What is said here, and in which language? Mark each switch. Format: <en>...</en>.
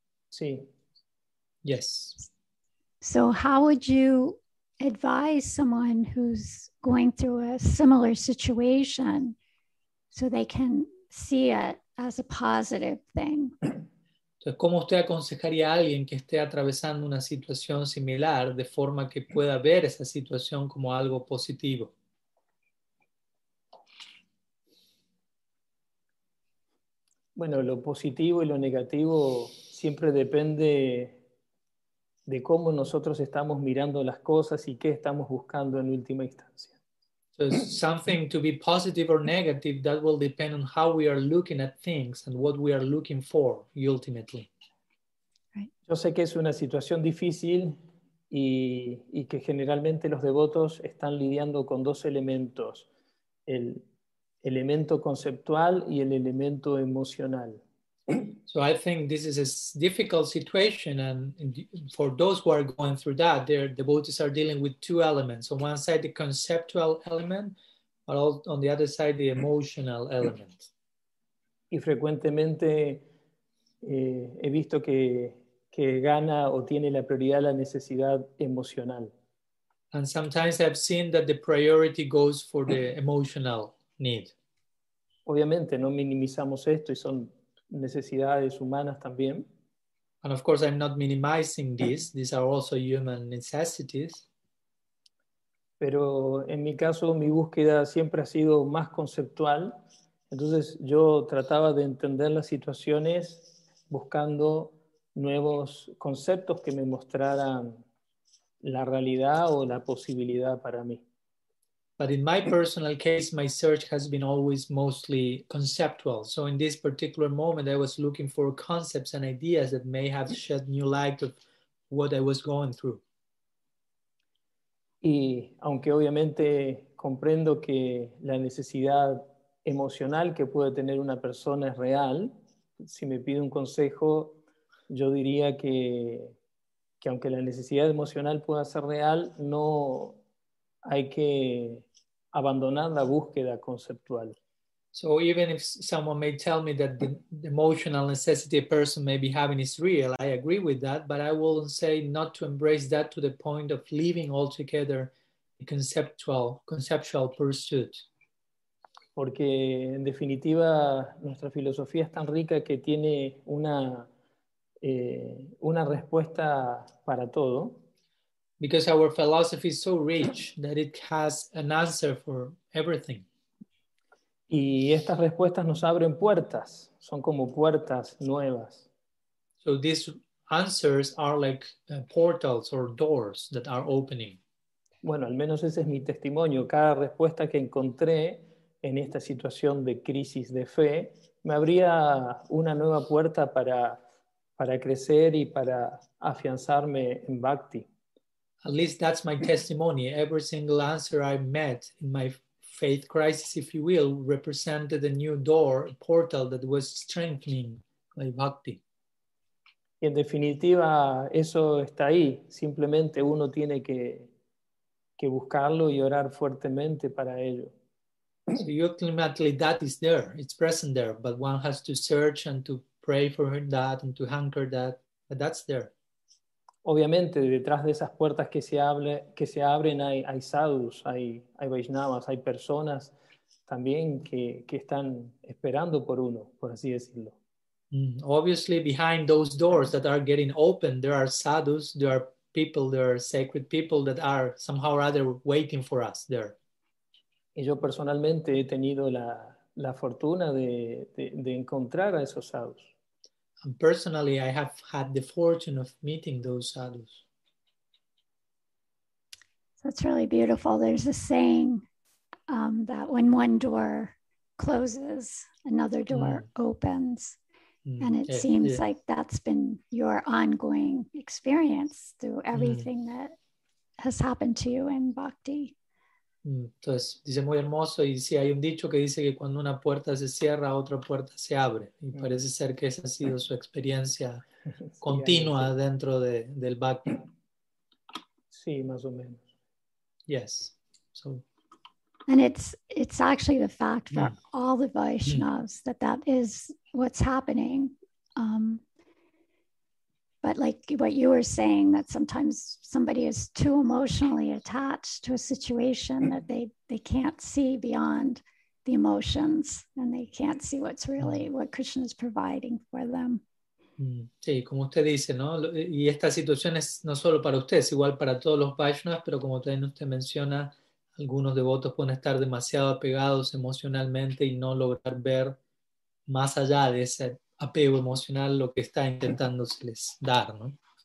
<es>Sí.</es> <en>Yes. So how would you advise someone who's going through a similar situation so they can see it as a positive thing?</en> <es>Entonces, ¿cómo usted aconsejaría a alguien que esté atravesando una situación similar de forma que pueda ver esa situación como algo positivo? Bueno, lo positivo y lo negativo siempre depende de cómo nosotros estamos mirando las cosas y qué estamos buscando en última instancia.</es> <en>So something to be positive or negative, that will depend on how we are looking at things and what we are looking for ultimately.</en> <es>Yo sé que es una situación difícil y que generalmente los devotos están lidiando con dos elementos, el elemento conceptual y el elemento emocional.</es> <en>So I think this is a difficult situation, and for those who are going through that, their devotees are dealing with two elements. On one side, the conceptual element, but on the other side, the emotional element.</en> <es>Y frecuentemente he visto que gana o tiene la prioridad la necesidad emocional.</es> <en>And sometimes I've seen that the priority goes for the emotional need.</en> <es>Obviamente, no minimizamos esto y son necesidades humanas también.</es> <en>And of course, I'm not minimizing this. These are also human necessities.</en> <es>Pero en mi caso, mi búsqueda siempre ha sido más conceptual. Entonces, yo trataba de entender las situaciones buscando nuevos conceptos que me mostraran la realidad o la posibilidad para mí.</es> <en>But in my personal case, my search has been always mostly conceptual. So in this particular moment, I was looking for concepts and ideas that may have shed new light of what I was going through.</en> <es>Y aunque obviamente comprendo que la necesidad emocional que puede tener una persona es real, si me pide un consejo, yo diría que aunque la necesidad emocional pueda ser real, no hay que abandonar la búsqueda conceptual.</es> <en>So even if someone may tell me that the emotional necessity a person may be having is real, I agree with that, but I will say not to embrace that to the point of leaving altogether the conceptual pursuit.</en> <es>Porque en definitiva nuestra filosofía es tan rica que tiene una respuesta para todo.</es> <en>Because our philosophy is so rich that it has an answer for everything.</en> <es>Y estas respuestas nos abren puertas, son como puertas nuevas.</es> <en>So these answers are like portals or doors that are opening.</en> <es>Bueno, al menos ese es mi testimonio. Cada respuesta que encontré en esta situación de crisis de fe me abría una nueva puerta para crecer y para afianzarme en bhakti.</es> <en>At least that's my testimony. Every single answer I met in my faith crisis, if you will, represented a new door, a portal that was strengthening my bhakti.</en> <es>Y en definitiva, eso está ahí. Simplemente uno tiene que buscarlo y orar fuertemente para ello.</es> <en>So ultimately, that is there. It's present there. But one has to search and to pray for that and to hunker that. But that's there.</en> <es>Obviamente, detrás de esas puertas que se abren hay sadhus, hay vaisnavas, hay personas también que están esperando por uno, por así decirlo.</es> <en>Obviously, behind those doors that are getting open, there are sadhus, there are people, there are sacred people that are somehow or other waiting for us there.</en> <es>Y yo personalmente he tenido la fortuna de encontrar a esos sadhus.</es> <en>And personally, I have had the fortune of meeting those sadhus. That's really beautiful. There's a saying that when one door closes, another door opens. And it seems like that's been your ongoing experience through everything that has happened to you in bhakti.</en> <es>Entonces, dice muy hermoso, y sí, hay un dicho que dice que cuando una puerta se cierra, otra puerta se abre. Y parece ser que esa ha sido su experiencia continua dentro de, del bhakti. Sí, más o menos.</es> <en>Yes. So. And it's actually the fact for all the Vaishnavas that is what's happening. But like what you were saying, that sometimes somebody is too emotionally attached to a situation that they can't see beyond the emotions, and they can't see what's really what Krishna is providing for them.</en> <es>Sí, como usted dice, ¿no? Y esta situación es no solo para usted, es igual para todos los Vaishnavas, pero como también usted menciona, algunos devotos pueden estar demasiado apegados emocionalmente y no lograr ver más allá de ese apego emocional lo que está intentándoseles dar, ¿no?</es>